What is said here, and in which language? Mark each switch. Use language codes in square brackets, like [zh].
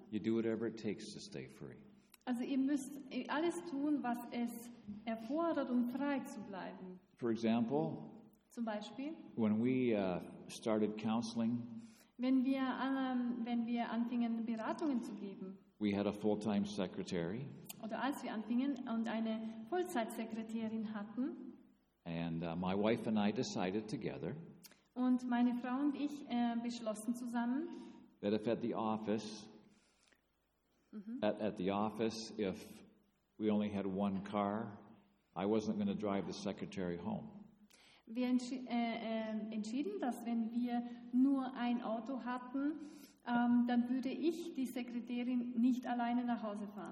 [en] You do whatever it takes to stay free. [de] Also ihr müsst alles tun, was es erfordert, um frei zu bleiben. [en] For example, [de] zum Beispiel, [en] when we started counseling, [de] wenn wir anfingen, Beratungen zu geben, [en] we had a full-time secretary, [de] oder als wir anfingen und eine Vollzeitsekretärin hatten, [en] and my wife and I decided together, [de] und meine Frau und ich beschlossen zusammen, [en] that if at the office, mm-hmm. at the office, if we only had one car, I wasn't going to drive the secretary home. [de] Wir entschieden, dass wenn wir nur ein Auto hatten, dann würde ich die Sekretärin nicht alleine nach Hause fahren.